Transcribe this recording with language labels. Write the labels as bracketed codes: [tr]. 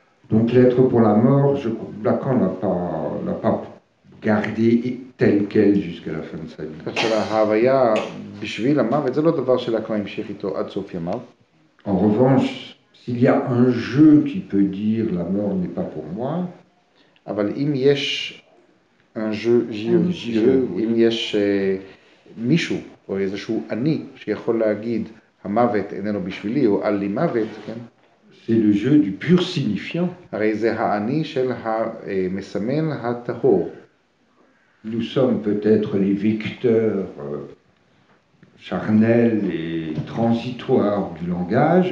[fr] Donc l'être pour la mort, Lacan n'a pas gardé tel quel jusqu'à la fin de sa vie. [he] כאשר ההוויה בשביל המוות, זה לא דבר שלקן המשיך איתו עד סוף ימיו. [fr] En revanche, s'il y a un je qui peut dire la mort n'est pas pour moi, [he] אבל אם יש [fr] un je, [he] אם יש מישהו או איזשהו אני שיכול להגיד המוות איננו בשבילי או על לי מוות, כן? [fr] C'est le jeu du pur signifiant. [he] הרי זה האני של המסמן הטהור. [fr] Nous sommes peut-être les vecteurs charnels et transitoires du langage.